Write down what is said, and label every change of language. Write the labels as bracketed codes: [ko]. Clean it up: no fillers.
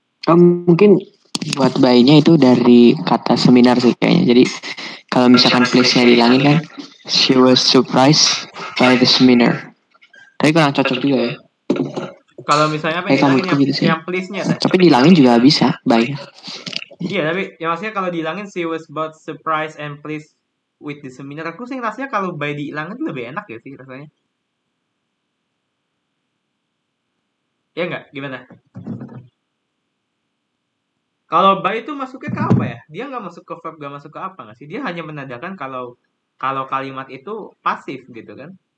[id] Mungkin buat by-nya itu dari kata seminar sih kayaknya. Jadi kalau misalkan please-nya dihilangin kan, [en] she was surprised by the seminar. [id] Tapi kurang cocok juga ya. Kalau misalnya apa yang hilangin gitu yang please-nya? Tapi dihilangin juga bisa, by-nya. Iya, tapi yang maksudnya kalau dihilangin, [en] she was both surprised and pleased with the seminar. [id] Aku sih rasanya kalau by dihilangin lebih enak ya sih rasanya. Iya nggak? Gimana? Kalau by itu masuknya ke apa ya? Dia nggak masuk ke verb, nggak masuk ke apa nggak sih? Dia hanya menandakan kalau kalau kalimat itu pasif gitu kan?